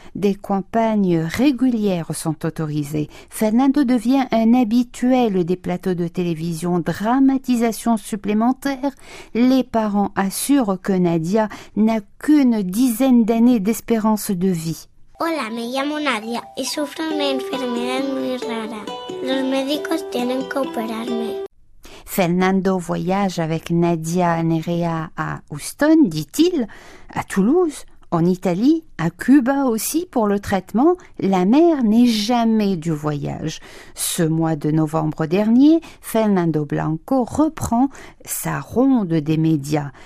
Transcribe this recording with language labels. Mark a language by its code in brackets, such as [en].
[fr] Des campagnes régulières sont autorisées. Fernando devient un habituel des plateaux de télévision. Dramatisation supplémentaire. Les parents assurent que Nadia n'a qu'une dizaine d'années d'espérance de vie. [es] Hola, me llamo Nadia y sufro una enfermedad muy rara. Los médicos tienen que operarme. [fr] Fernando voyage avec Nadia Nerea à Houston, dit-il, à Toulouse, en Italie, à Cuba aussi pour le traitement. La mère n'est jamais du voyage. Ce mois de novembre dernier, Fernando Blanco reprend sa ronde des médias.